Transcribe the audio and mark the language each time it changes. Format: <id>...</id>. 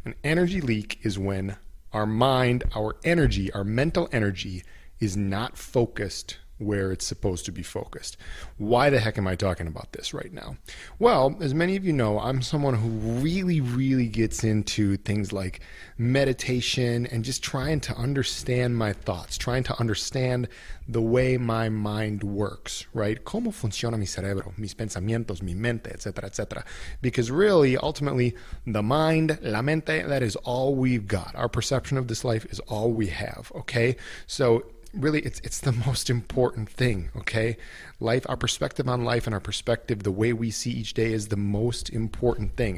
<en>An energy leak is when our mind, our energy, our mental energy is not focused where it's supposed to be focused. Why the heck am I talking about this right now? Well, as many of you know, I'm someone who really, really gets into things like meditation and just trying to understand my thoughts, trying to understand the way my mind works, right?</en> <es>¿Cómo funciona mi cerebro, mis pensamientos, mi mente, etc., etc.?</es> <en>Because really, ultimately, the mind,</en> <es>la mente,</es> <en>that is all we've got. Our perception of this life is all we have, okay? So really, it's the most important thing, okay? Life, our perspective on life and our perspective, the way we see each day is the most important thing.</en>